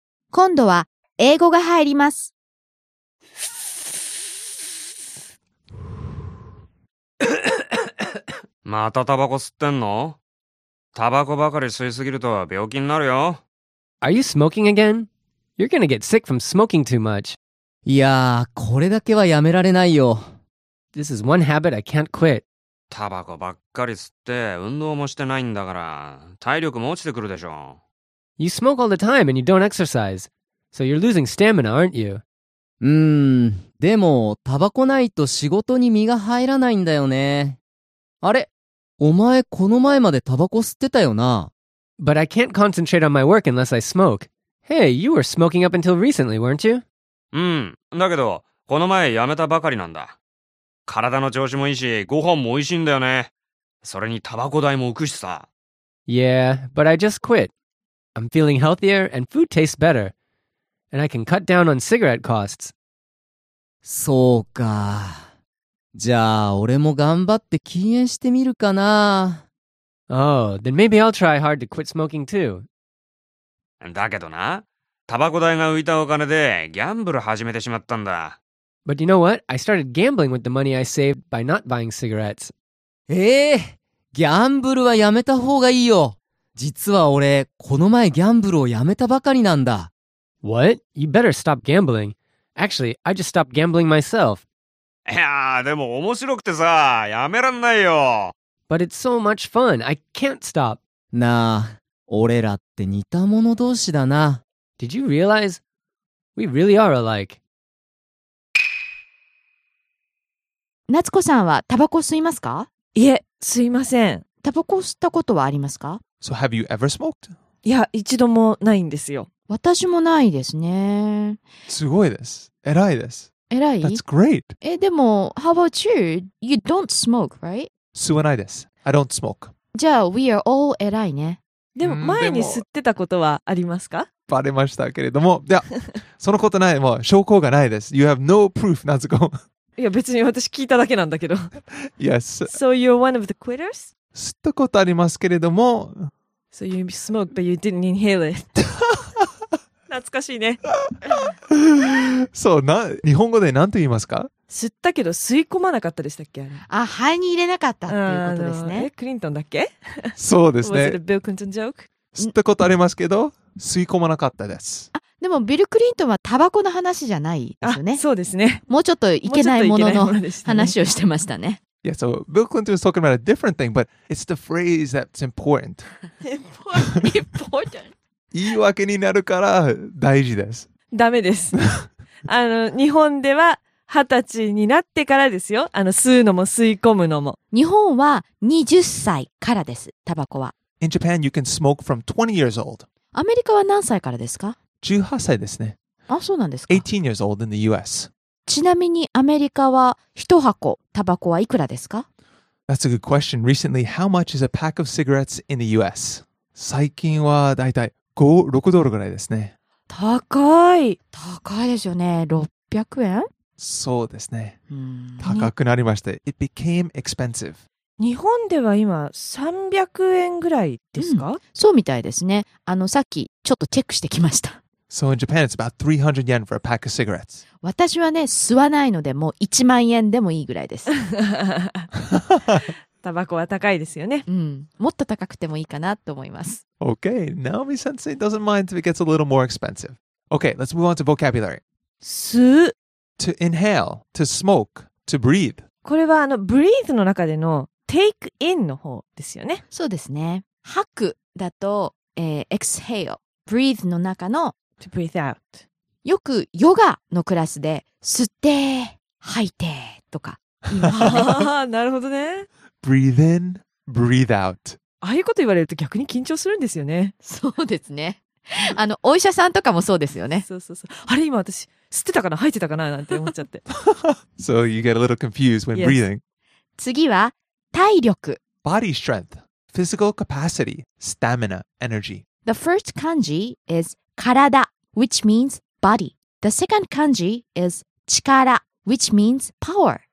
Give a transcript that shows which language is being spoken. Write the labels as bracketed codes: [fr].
[ja] 今度は英語が入ります。またタバコ吸ってんの？タバコばかり吸いすぎると病気になるよ。 [en] Are you smoking again? You're gonna get sick from smoking too much. [ja] いやー、これだけはやめられないよ。 [en] This is one habit I can't quit. [ja] タバコばっかり吸って、運動もしてないんだから、体力も落ちてくるでしょ。 [en] You smoke all the time and you don't exercise. So you're losing stamina, aren't you? [ja] でも、タバコないと仕事に身が入らないんだよね。あれ、お前この前までタバコ吸ってたよな。 [en] But I can't concentrate on my work unless I smoke. Hey, you were smoking up until recently, weren't you? [ja] だけど、この前やめたばかりなんだ。体の調子もいいし、ご飯もおいしいんだよね。それにタバコ代も浮くしさ。 [en] Yeah, but I just quit. I'm feeling healthier and food tastes better. And I can cut down on cigarette costs. [ja] そうか。じゃあ、俺も頑張って禁煙してみるかな。 [en] Oh, then maybe I'll try hard to quit smoking too. [ja] だけどな、タバコ代が浮いたお金でギャンブル始めてしまったんだ。 [en] But you know what? I started gambling with the money I saved by not buying cigarettes. [ja] ギャンブルはやめた方がいいよ。実は俺、この前ギャンブルをやめたばかりなんだ。 [en] What? You better stop gambling. Actually, I just stopped gambling myself. [ja] いやー、でも面白くてさ、やめらんないよ。 [en] But it's so much fun. I can't stop. [ja] なあ、俺らって似た者同士だな。 [en] Did you realize? We really are alike. [ja] 夏子さんはタバコ吸いますか？いえ、吸いません。タバコ吸ったことはありますか？ [en] So have you ever smoked? [ja] いや、一度もないんですよ。私もないですね。すごいです。偉いです。偉い？ [en] That's great. でも、how about you? You don't smoke, right? [ja] 吸わないです。 [en] I don't smoke. [ja] じゃあ、 [en] we are all [ja] 偉いね。でも、前に吸ってたことはありますか？バレましたけれども。いや、そのことない。もう、証拠がないです。 [en] You have no proof, [ja] なずこ。いや、別に私聞いただけなんだけど。 [en] Yes. So you're one of the quitters? [ja] 吸ったことありますけれども。 [en] So you smoke, but you didn't inhale it. [ja] 懐かしいね。そう、日本語で何と言いますか？吸ったけど吸い込まなかったでしたっけ？あ、肺に入れなかったっていうことですね。クリントンだっけ？そうですね。 [en] Was it a Bill Clinton joke? [ja] 吸ったことありますけど、吸い込まなかったです。あ、でもビル・クリントンはタバコの話じゃないですよね。あ、そうですね。もうちょっといけないものの話をしてましたね。 [en] Yeah, so Bill Clinton was talking about a different thing, but it's the phrase that's important. Important? [ja] 言い訳になるから大事です。ダメです。日本では二十歳になってからですよ。吸うのも吸い込むのも。日本は20歳からです。タバコは。 [en] In Japan, you can smoke from 20 years old. [ja] アメリカは何歳からですか ?18 歳ですね。あ、そうなんですか [en] ?18 years old in the US. [ja] ちなみにアメリカは一箱タバコはいくらですか [en] ?That's a good question. Recently, how much is a pack of cigarettes in the US? [ja] 最近はだいたい5-6ドルぐらいですね。高い。高いですよね。600円そうですね。高くなりました。 [en] It became expensive. [ja] 日本では今300円ぐらいですか、うん、そうみたいですね。さっきちょっとチェックしてきました。 [en] So in Japan, it's about 300 yen for a pack of cigarettes. [ja] 私はね、吸わないので、もう1万円でもいいぐらいです。タバコは高いですよね。うん。もっと高くてもいいかなと思います。 [en] Okay, Naomi Sensei doesn't mind if it gets a little more expensive. Okay, let's move on to vocabulary. [ja] 吸う。 [en] To inhale, to smoke, to breathe. [ja] これはbreathe の中での take in の方ですよね。そうですね。吐くだと、exhale, breathe の中の [en] to breathe out. [ja] よくヨガのクラスで吸って、吐いてとか。なるほどね。 [en] Breathe in, breathe out. [ja] ああいうこと言われると逆に緊張するんですよね。そうですね。お医者さんとかもそうですよね。そうそうそう。あれ今私吸ってたかな吐いてたかななんて思っちゃって。 [en] So you get a little confused when breathing. [ja] Yes. 次は体力。 [en] Body strength, physical capacity, stamina, energy. The first kanji is 体 which means body. The second kanji is 力 which means power.